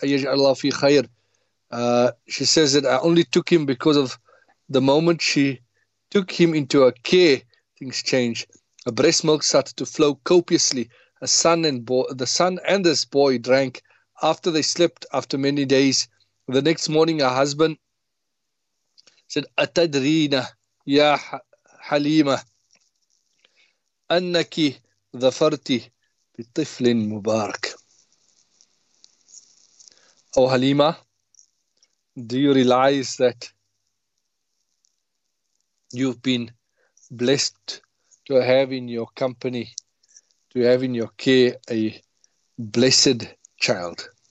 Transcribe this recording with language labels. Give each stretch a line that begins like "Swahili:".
Arabic: Ayyaj Allah fi khair.
English: She says that I only took him because of the moment she took him into her care, things changed. Her breast milk started to flow copiously. The son and this boy drank after they slept after many days. The next morning, her husband said, Atadrina,
Arabic: يا حليمة، أنك ظفرت بطفل مبارك. أو حليمة،
English: do you realize that you've been blessed to have in your company, to have in your care a blessed child?